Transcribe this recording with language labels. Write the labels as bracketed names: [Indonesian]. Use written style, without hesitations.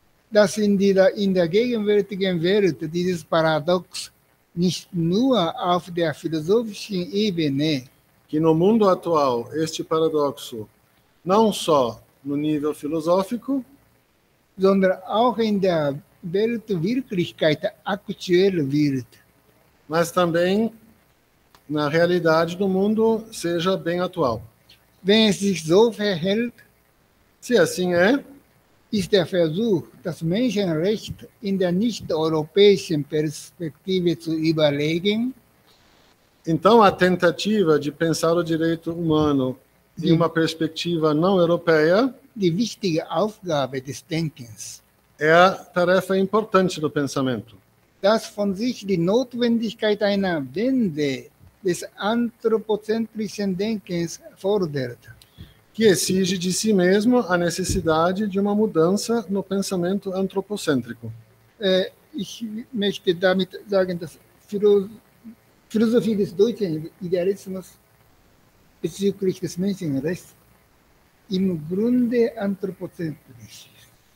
[German] dass in der gegenwärtigen Welt dieses Paradox nicht nur auf der philosophischen Ebene, [Portuguese] que no mundo atual este paradoxo não só no nível filosófico, [German] sondern auch in der Weltwirklichkeit aktuell wird, [Portuguese] mas também na realidade do mundo seja bem atual. [German] Wenn es sich so verhält, [Portuguese] se assim é, [German] ist der Versuch, das Menschenrecht in der nicht-europäischen Perspektive zu überlegen. [Portuguese] Então, a tentativa de pensar o direito humano em uma perspectiva não europeia, [German] die wichtige Aufgabe des Denkens, [Portuguese] é a tarefa importante do pensamento. [German] Das von sich die Notwendigkeit einer Wende des anthropozentrischen Denkens fordert. [Portuguese] Que exige de si mesmo a necessidade de uma mudança no pensamento antropocêntrico. É, [German] ich möchte damit sagen, dass Philosophie des deutschen Idealismus bezüglich des Menschenrechts im Grunde anthropozentrisch ist.